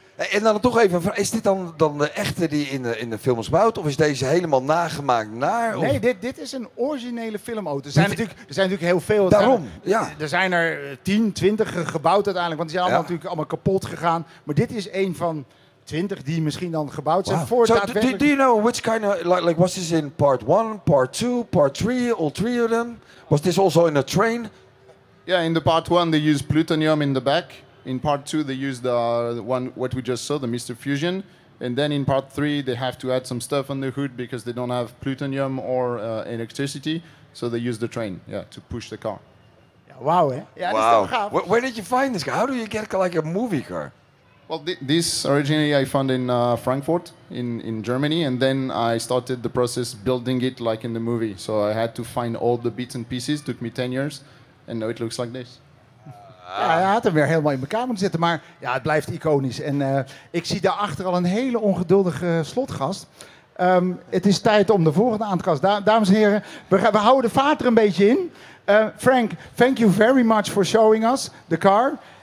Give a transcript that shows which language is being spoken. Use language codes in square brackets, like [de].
[nl] En dan toch even, is dit dan de echte die in de film is gebouwd? Of is deze helemaal nagemaakt naar? Of? Nee, dit is een originele filmauto. Er zijn natuurlijk heel veel. Daarom, ja. Er zijn er 10, 20 gebouwd uiteindelijk. Want die zijn allemaal kapot gegaan. Maar dit is een van 20 die misschien dan gebouwd zijn. Voor [en] so, do you know which kind of, like was this in part 1, part 2, part 3, all 3 of them? Was this also in a train? Yeah, in the part 1 they use plutonium in the back. In part 2, they use the one what we just saw, the Mr. Fusion. And then in part 3, they have to add some stuff on the hood because they don't have plutonium or electricity. So they use the train, to push the car. Yeah, wow, eh? Yeah, wow. Where did you find this car? How do you get like a movie car? Well, this originally I found in Frankfurt in Germany. And then I started the process building it like in the movie. So I had to find all the bits and pieces. It took me 10 years. And now it looks like this. [nl] Ja, hij had hem weer helemaal in elkaar moeten zetten, maar ja, het blijft iconisch. En ik zie daarachter al een hele ongeduldige slotgast. Het is tijd om de volgende aan te kasten. Dames en heren, we houden de vaart er een beetje in. [en] Frank, thank you very much for showing us the car.